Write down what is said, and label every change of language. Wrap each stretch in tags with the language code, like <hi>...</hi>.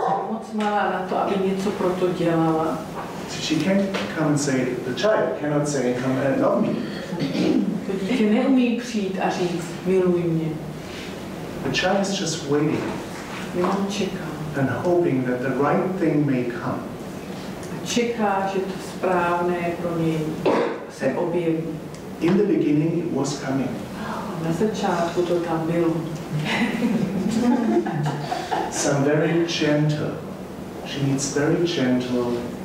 <cs>Moc malá na to, aby něco pro to dělala.</cs> <en>She can't come and say, the child cannot say, come and love me.</en> <cs>To dítě neumí přijít a říct, miluj mě.</cs> <en>The child is just waiting.</en> <cs>Jenom čeká.</cs> <en>And hoping that the right thing may come.</en> <cs>A čeká, že to správné pro něj se objeví.</cs> <en>In the beginning it was coming.</en> <cs>A na začátku to tam bylo.</cs> <en>Some very gentle. She needs very gentle.</en>